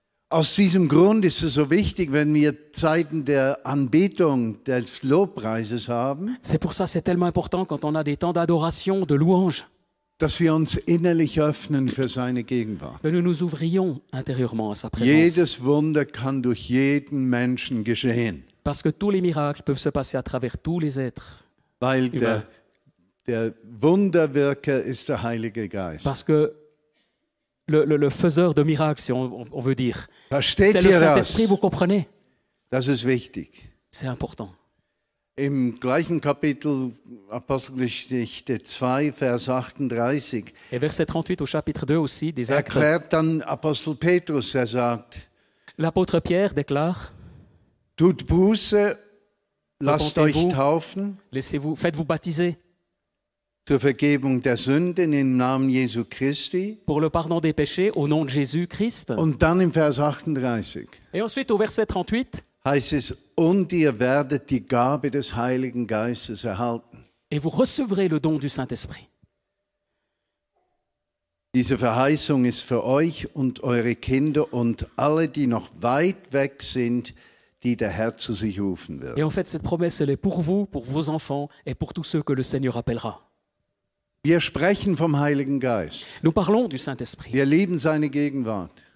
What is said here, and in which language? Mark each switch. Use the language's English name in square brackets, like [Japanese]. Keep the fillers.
[German] Aus diesem Grund ist es so wichtig, wenn wir Zeiten der Anbetung, des Lobpreises haben. [French] C'est pour ça c'est tellement important quand on a des temps d'adoration, de louange. [German] Dass wir uns innerlich öffnen für seine Gegenwart. [French] Que nous nous ouvrions intérieurement à sa présence. [German] Jedes Wunder kann durch jeden Menschen geschehen. [French] Parce que tous les miracles peuvent se passer à travers tous les êtres. [German] Weil [French] humains. [German] der der Wunderwirker ist der Heilige Geist. [French] Parce que le, le, le faiseur de miracles, si on, on veut dire. [German] Versteht ihr Saint -Esprit, das? [French] Vous comprenez? [German] Das ist wichtig. [French] C'est important. [German] Im gleichen Kapitel Apostelgeschichte 2, Vers 38, [French] Et 38 au chapitre 2 aussi, [German] des erklärt actes, dann Apostel Petrus, er sagt, [French] l'apôtre Pierre déclare, [German] tut Buße, lasst euch taufen, [French] faites-vous baptiser, [German] zur Vergebung der Sünden im Namen Jesu Christi. [French] Pour le pardon des péchés au nom de Jésus Christ. [German] Und dann im Vers 38. [French] Et ensuite au verset 38. [German] Heißt es und ihr werdet die Gabe des Heiligen Geistes erhalten. [French] Et vous recevrez le don du Saint Esprit. [German] Diese Verheißung ist für euch und eure Kinder und alle, die noch weit weg sind, die der Herr zu sich rufen wird. [French] Et en fait cette promesse elle est pour vous, pour vos enfants et pour tous ceux que le Seigneur appellera. [German] Wir sprechen vom Heiligen Geist. Wir lieben seine Gegenwart.